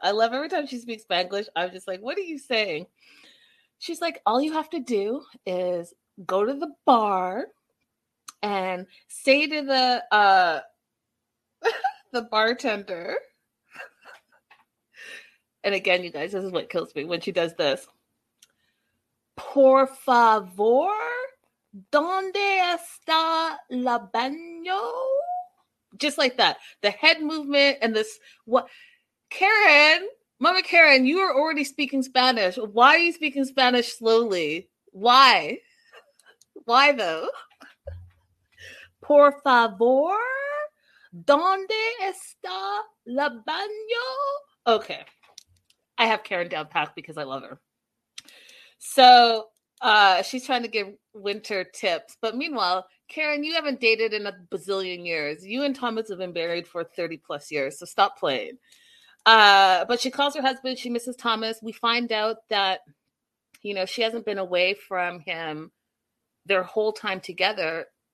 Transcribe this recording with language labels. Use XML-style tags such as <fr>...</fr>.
<en>I love every time she speaks Spanglish. I'm just like, what are you saying? She's like, all you have to do is go to the bar and say to the the bartender. And again, you guys, this is what kills me when she does this.</en> <es>Por favor, ¿dónde está el baño?</es> <en>Just like that. The head movement and this. What, Karen, Mama Karen, you are already speaking Spanish. Why are you speaking Spanish slowly? Why? Why though?</en> <es>Por favor, ¿dónde está el baño?</es> <en>Okay. I have Karen down pat because I love her. So she's trying to give Winter tips. But meanwhile, Karen, you haven't dated in a bazillion years. You and Thomas have been married for 30 plus years, so stop playing. But she calls her husband. She misses Thomas. We find out that, you know, she hasn't been away from him their whole time together.</en>